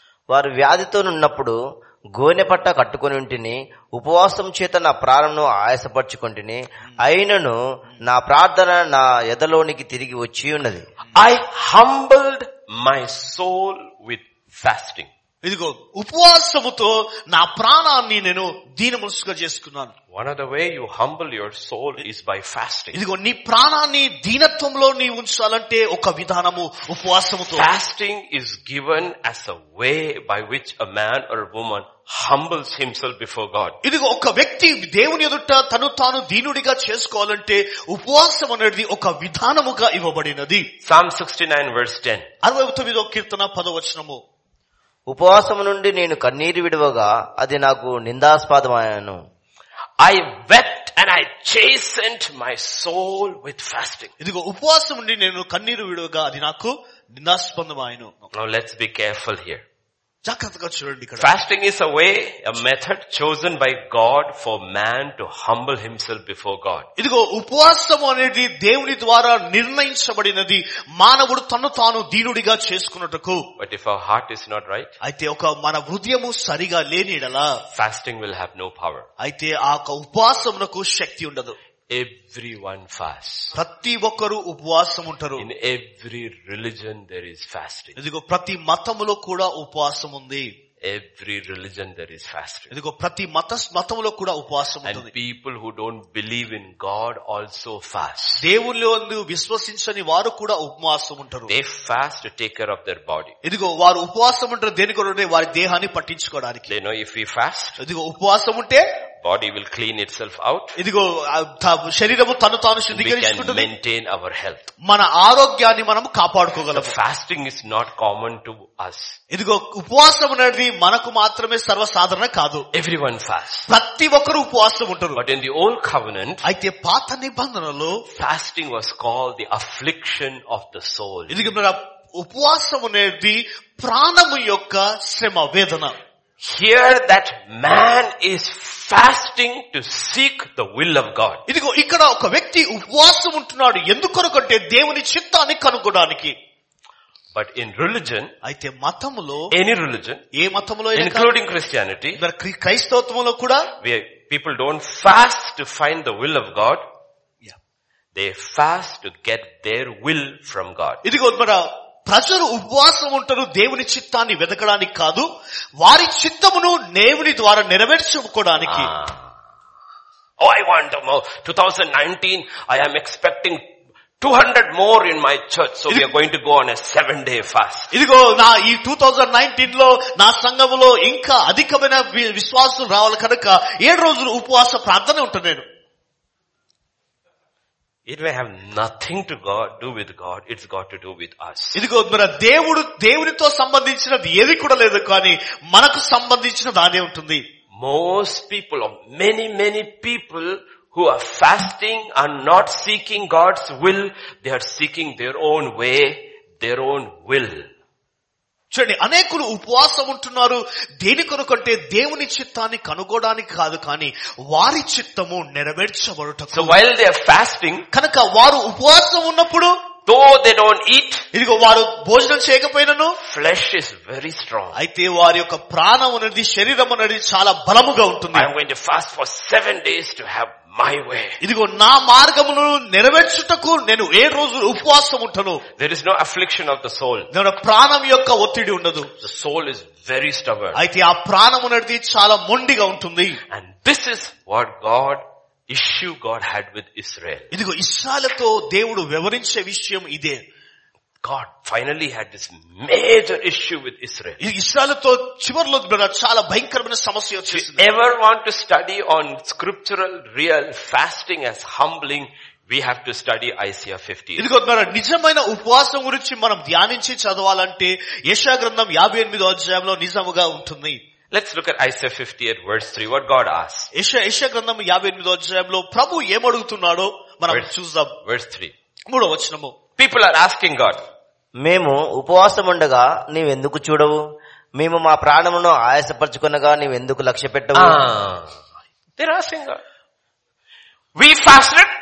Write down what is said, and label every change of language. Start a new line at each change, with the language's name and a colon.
Telugu: వారు వ్యాధితో ఉన్నప్పుడు గోనె పట్ట కట్టుకుని ఉంటిని, ఉపవాసం చేత నా ప్రాణమును ఆయాసపరుచుకుంటుని, అయినను నా ప్రార్థన నా ఎదలోనికి తిరిగి వచ్చి ఉన్నది.
English: I humbled my soul with fasting.
Telugu: ఇదిగో ఉపవాసముతో నా ప్రాణాన్ని నేను దీనమనసుగా చేసుకున్నాను.
English: One of the way you humble your soul is by fasting.
Telugu: ఇదిగో నీ ప్రాణాన్ని దీనత్వంలో నీ ఉంచాలంటే ఒక విధానము ఉపవాసముతో.
English: Fasting is given as a way by which a man or a woman humbles himself before God.
Telugu: ఇదిగో ఒక వ్యక్తి దేవుని ఎదుట తను తాను దీనుడిగా చేసుకోవాలంటే ఉపవాసం అనేది ఒక విధానముగా ఇవ్వబడినది.
English: Psalm 69:10.
Telugu: 69వ కీర్తన 10వ వచనము. ఉపవాసము నుండి నేను కన్నీరు విడవగా అది నాకు నిందాస్పదమైనను.
English: I wept and I chastened my soul with fasting.
Telugu: ఇదిగో ఉపవాసం నుండి నేను కన్నీరు విడవగా అది నాకు నిందాస్పదమైనను.
English: Now let's be careful here.
Telugu: జాగ్రత్తగా చూడండి.
English: Fasting is a way, a method chosen by God for man to humble himself before God.
Telugu: ఇదిగో ఉపవాసం అనేది దేవుని ద్వారా నిర్ణయించబడినది మానవుడు తన్ను తాను దీనుడిగా చేసుకున్నట్టుకు.
English: But if our heart is not right,
Telugu: అయితే ఒక మన హృదయము సరిగా లేని యెడల,
English: fasting will have no power.
Telugu: అయితే ఆ ఉపవాసమునకు శక్తి ఉండదు.
English: Everyone fasts.
Telugu: ప్రతి ఒక్కరు ఉపవాసం ఉంటారు.
English: In every religion there is fasting.
Telugu: ఇదిగో ప్రతి మతములో కూడా ఉపవాసం ఉంది.
English: Every religion there is fasting.
Telugu: ఇదిగో ప్రతి మతములో కూడా ఉపవాసం ఉంది.
English: And people who don't believe in God also fast.
Telugu: దేవుళ్ళందు విశ్వసించని వారు కూడా ఉపవాసం ఉంటారు.
English: They fast to take care of their body.
Telugu: ఇదిగో వారు ఉపవాసం ఉంటారు దేనికొరకు? వారి దేహాన్ని పట్టించుకోవడానికి.
English: They know if we fast.
Telugu: ఇదిగో ఉపవాసం ఉంటే
English: body will clean itself out.
Telugu: ఇదిగో శరీరము తను తాను శుద్ధీకరించుకుంటుంది.
English: We can maintain our health.
Telugu: మన ఆరోగ్యాన్ని మనం కాపాడుకోగలం.
English: Fasting is not common to us.
Telugu: ఇదిగో ఉపవాసం అనేది మనకు మాత్రమే సర్వసాధారణం కాదు.
English: Everyone fasts.
Telugu: ప్రతి ఒక్కరూ ఉపవాసం ఉంటారు.
English: But in the old covenant,
Telugu: అయితే పాత నిబంధనలో
English: fasting was called the affliction of the soul.
Telugu: ఇదిగో మన ఉపవాసం అనేది ప్రాణము యొక్క శ్రమ వేదన.
English: Here that man is fasting to seek the will of God.
Telugu: ఇదిగో ఇక్కడ ఒక వ్యక్తి ఉపవాసం ఉంటున్నాడు ఎందుకొరకంటే దేవుని చిత్తాన్ని కనుగొనడానికి.
English: But in religion,
Telugu: అయితే మతములో,
English: any religion,
Telugu: ఏ మతములో,
English: including Christianity,
Telugu: క్రైస్తవత్వములో కూడా,
English: people don't fast to find the will of God. They fast to get their will from God.
Telugu: ఇదిగో మన ప్రజలు ఉపవాసం ఉంటారు దేవుని చిత్తాన్ని వెతకడానికి కాదు వారి చిత్తమును దేవుని ద్వారా నెరవేర్చుకోవడానికి.
English: Oh, I want to know. 2019, I am expecting 200 more in my church, so we are going to go on a 7-day fast.
Telugu: ఇదిగో నా ఈ 2019 లో నా సంఘములో ఇంకా అధికమైన విశ్వాసం రావాలి కనుక 7 రోజులు ఉపవాస ప్రార్థన ఉంటున్నాను.
English: It may have nothing to God, do with God. It's got to do with us.
Telugu: ఇదిగో మన దేవుడు దేవునితో సంబంధించినది ఏది కూడా లేదు కానీ మనకు సంబంధించిన దానే ఉంటుంది.
English: Most people, or many people who are fasting are not seeking God's will. They are seeking their own way, their own will.
Telugu: చూడండి అనేకులు ఉపవాసం ఉంటున్నారు దేని కొరకంటే దేవుని చిత్తాన్ని కనుగొనడానికి కాదు కానీ వారి చిత్తము నెరవేర్చబడుటకు.
English: while they are fasting,
Telugu: కనుక వారు ఉపవాసం ఉన్నప్పుడు,
English: though they don't eat,
Telugu: ఇదిగో వారు భోజనం చేయకపోయినను,
English: flesh is very strong,
Telugu: అయితే వారి యొక్క ప్రాణం అనేది శరీరం అనేది చాలా బలముగా ఉంటుంది.
English: I am going to fast for 7 days to have my way.
Telugu: ఇదిగో నా మార్గమును నెరవేర్చుటకు నేను 7 రోజులు ఉపవాసం ఉంటాను.
English: there is no affliction of the soul,
Telugu: ప్రాణం యొక్క ఒత్తిడి ఉండదు.
English: the soul is very stubborn,
Telugu: అయితే ఆ ప్రాణం అనేది చాలా మొండిగా ఉంటుంది.
English: And this is what God issue God had with Israel.
Telugu: ఇదిగో ఇస్రాయెల్తో దేవుడు వివరించే విషయం ఇదే.
English: God finally had this major issue with Israel.
Telugu: ఇశ్రాయేలుతో చివరిలో చాలా భయంకరమైన సమస్య వచ్చింది.
English: Ever want to study on scriptural real fasting as humbling, we have to study Isaiah 50.
Telugu: ఇదిగో మన నిజమైన ఉపవాసం గురించి మనం ధ్యానించి చదవాలంటే యెషయా గ్రంథం 58వ అధ్యాయంలో నిజముగా ఉంటుంది.
English: Let's look at Isaiah 58 verse 3, what God asks.
Telugu: యెషయా గ్రంథం 58వ అధ్యాయంలో ప్రభు ఏమడుగుతున్నాడో మనం చూద్దాం.
English: Verse 3.
Telugu: 3వ వచనము.
English: People are asking God,
Telugu: మేము ఉపవాసం ఉండగా నీవెందుకు చూడవు, మేము మా ప్రాణమును ఆయాసపరచుకునగా నీవెందుకు లక్ష్య పెట్టవు.
English: They're asking God, we fasted,